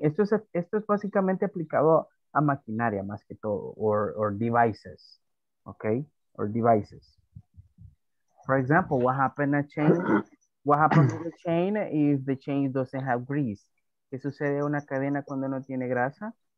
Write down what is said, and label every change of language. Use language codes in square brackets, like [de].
[es] Esto es básicamente aplicado a maquinaria más que todo, [en] or devices, okay, or devices. For example, what happens to the chain if the chain doesn't have grease? [es] ¿Qué sucede a una cadena cuando no tiene grasa?